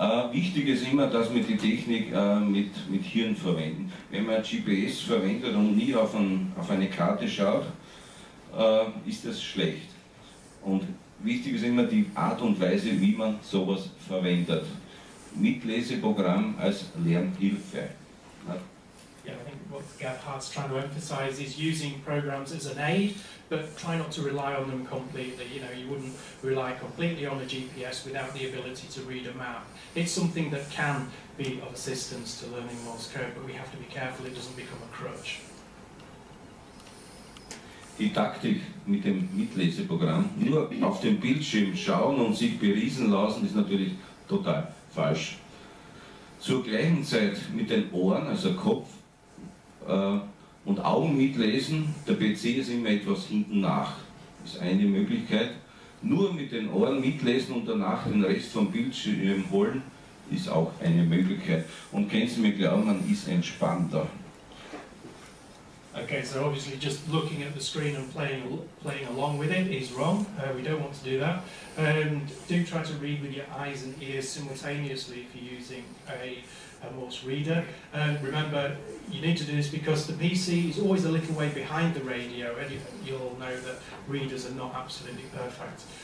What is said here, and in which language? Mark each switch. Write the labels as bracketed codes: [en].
[de] Wichtig ist immer, dass wir die Technik mit Hirn verwenden. Wenn man GPS verwendet und nie auf eine Karte schaut, ist das schlecht. Und wichtig ist immer die Art und Weise, wie man sowas verwendet. Mitleseprogramm als Lernhilfe. [en] Yeah, I think what Gerhard's trying to emphasize is using programs as an aid, but try not to rely on them completely. You know, you wouldn't rely completely on a GPS without the ability to read a map. It's something that can be of assistance to learning Morse code, but we have to be careful it doesn't become a crutch. [de] Die Taktik mit dem Mitleseprogramm, nur auf dem Bildschirm schauen und sich beriesen lassen, ist natürlich total falsch. Zur gleichen Zeit mit den Ohren, also Kopf und Augen mitlesen, der PC ist immer etwas hinten nach, ist eine Möglichkeit. Nur mit den Ohren mitlesen und danach den Rest vom Bildschirm holen, ist auch eine Möglichkeit. Und können Sie mir glauben, man ist entspannter. [en] Okay, so obviously just looking at the screen and playing along with it is wrong. We don't want to do that. Do try to read with your eyes and ears simultaneously if you're using a Morse reader. Remember, you need to do this because the PC is always a little way behind the radio, and you'll know that readers are not absolutely perfect.